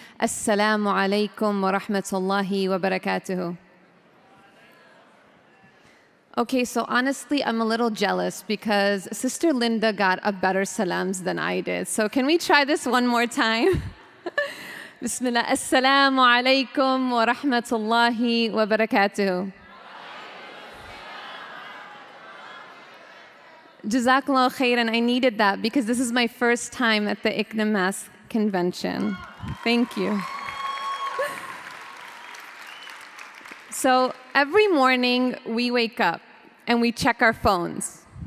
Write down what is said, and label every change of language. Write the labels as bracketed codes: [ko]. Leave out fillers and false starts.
[ar] السلام عليكم ورحمة الله وبركاته. [en] Okay, so honestly, I'm a little jealous because Sister Linda got a better salams than I did. So can we try this one more time? [ar] بسم الله السلام عليكم ورحمة الله وبركاته. [en] Jazakallah khair, and I needed that because this is my first time at the ICNA Mass Convention. Thank you. So every morning we wake up and we check our phones.